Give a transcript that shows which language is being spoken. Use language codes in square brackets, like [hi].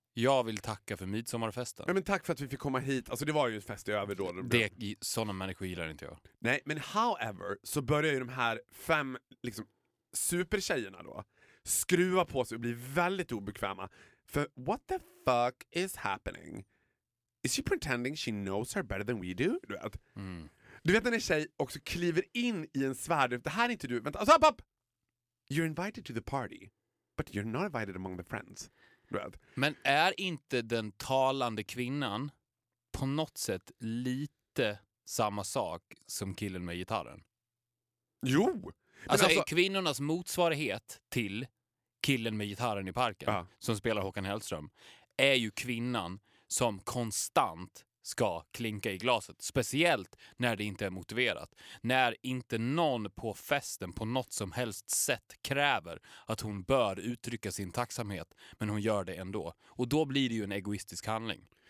[sv] Jag vill tacka för midsommarfesten. Men tack för att vi fick komma hit. Alltså det var ju ett fest i över då. Sådana människor gillar inte jag. Nej, men however så börjar ju de här fem liksom supertjejerna då skruva på sig och bli väldigt obekväma. [en] För what the fuck is happening? Is she pretending she knows her better than we do? [sv] Du vet. Mm. Du vet när en tjej också kliver in i en svärd. Det här är inte du. Vänta, stopp, stopp! [en] You're invited to the party, but you're not invited among the friends. [sv] Du vet. Men är inte den talande kvinnan på något sätt lite samma sak som killen med gitarren? Jo! Alltså är kvinnornas motsvarighet till killen med gitarren i parken som spelar Håkan Hellström är ju kvinnan som konstant ska klinka i glaset, speciellt när det inte är motiverat, när inte någon på festen på något som helst sätt kräver att hon bör uttrycka sin tacksamhet, men hon gör det ändå, och då blir det ju en egoistisk handling.